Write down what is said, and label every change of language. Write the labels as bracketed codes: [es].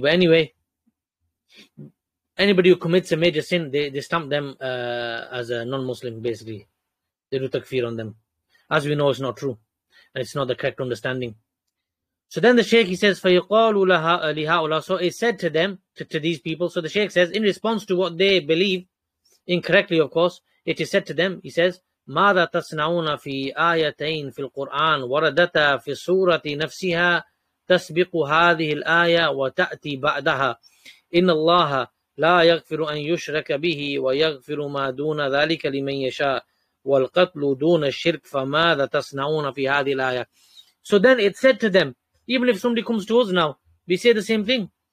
[en] But anyway, anybody who commits a major sin, they stamp them as a non-Muslim, basically. They do takfir on them. As we know, it's not true. And it's not the correct understanding. So then the Shaykh, he says, [ar] فَيُقَالُ لِهَا. [en] So he said to them, to these people. So the Shaykh says, in response to what they believe, incorrectly, of course, it is said to them, he says, [ar] مَاذَا تَصْنَعُونَ فِي آيَتَيْنِ فِي الْقُرْآنِ وَرَدَتَا فِي سُورَةِ نَفْسِهَا تَسْبِقُ هَذِهِ الْآيَةِ وَتَأْتِي بَعْدَهَا إِنَّ اللَّهَ لَا يَغْفِرُ أَن يُشْرَكَ بِهِ وَيَغْفِرُ مَا دُونَ ذَلِكَ لِمَن يَشَاءُ وَالْقَتْلُ دُونَ الشِّرْكِ فَمَاذَا تَصْنَعُونَ فِي هَذِهِ الْآيَةِ. [en] So then it said to them, even if somebody comes to us now, we say the same thing.